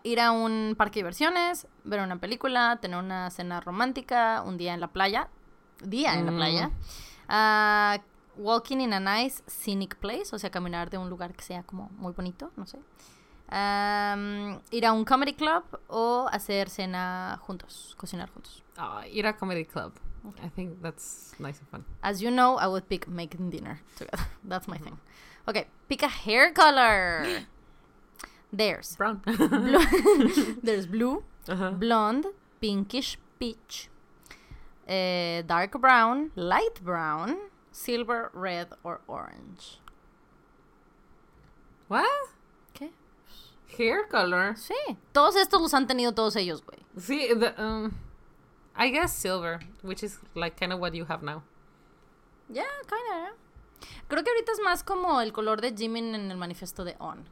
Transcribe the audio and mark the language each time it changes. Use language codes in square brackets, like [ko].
[es] Ir a un parque de diversiones, ver una película, tener una cena romántica, un día en la playa. Día en la playa. [en] Walking in a nice scenic place, [es] o sea, caminar de un lugar que sea como muy bonito, no sé. Ir a un comedy club o hacer cena juntos, cocinar juntos. Ir a [en] comedy club. Okay. I think that's nice and fun. As you know, I would pick making dinner together. That's my thing. Okay, pick a hair color. There's brown. There's blue, blonde, pinkish, peach. Dark brown, light brown, silver, red, or orange. What? [es] ¿Qué? [en] Hair color. [es] Sí. Todos estos los han tenido todos ellos, güey. Sí. [en] I guess silver, which is like kind of what you have now. Yeah, kind of. [es] Creo que ahorita es más como el color de Jimin en el manifiesto de On.